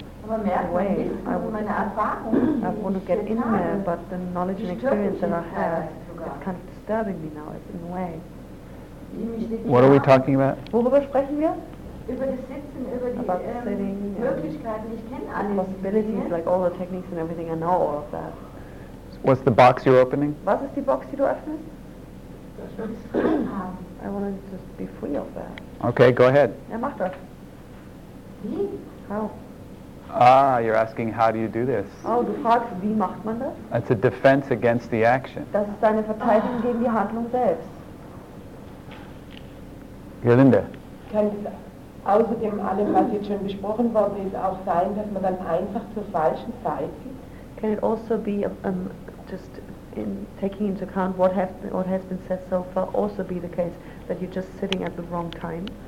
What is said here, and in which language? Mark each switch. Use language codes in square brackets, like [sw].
[en] I want to get in there, but the knowledge and experience that I have [de] sogar. [en] It's kind of disturbing me now, in a way. What are we talking about? [de] Worüber sprechen wir? Über das Sitzen, über die Möglichkeiten, ich kenne alle. [en] Possibilities, like all the techniques and everything, I know all of that. What's the box you're opening? [de] Was ist die Box, die du öffnest? Das will ich frei haben. [en] I want to just be free of that. Okay, go ahead. [de] Ja, mach das. Wie? [en] How? Ah, you're asking how do you do this? [de] Oh, du fragst, wie macht man das? [en] It's a defense against the action. [de] Das ist deine Verteidigung gegen die Handlung selbst. Gerlinde. Kann es außerdem allem, was jetzt schon besprochen worden ist, auch sein, dass man dann einfach zur falschen Zeit geht? [en] Can it also be just in taking into account what has been said so far also be the case that you're just sitting at the wrong time?